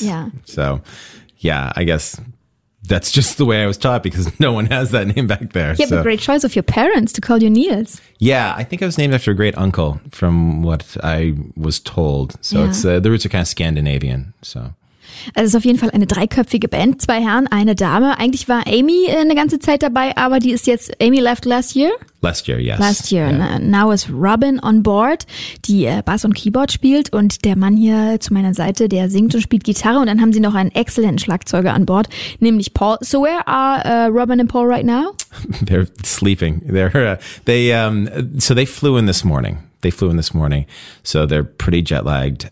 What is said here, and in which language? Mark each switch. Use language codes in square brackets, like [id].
[en] Yeah. So, yeah, I guess that's just the way I was taught because no one has that name back there. Yeah, so. But great choice of your parents to call you Nils. Yeah, I think I was named after a great uncle from what I was told. So yeah. It's the roots are kind of Scandinavian, so. [de] Also es ist auf jeden Fall eine dreiköpfige Band, zwei Herren, eine Dame. Eigentlich war Amy eine ganze Zeit dabei, aber die ist jetzt, [en] Amy left last year? Last year, yes. Last year. Yeah. Now is Robin on board, [de] die Bass und Keyboard spielt und der Mann hier zu meiner Seite, der singt und spielt Gitarre und dann haben sie noch einen exzellenten Schlagzeuger an Bord, nämlich Paul. [en] So where are Robin and Paul right now? They're sleeping. They flew in this morning. They flew in this morning, so they're pretty jet lagged.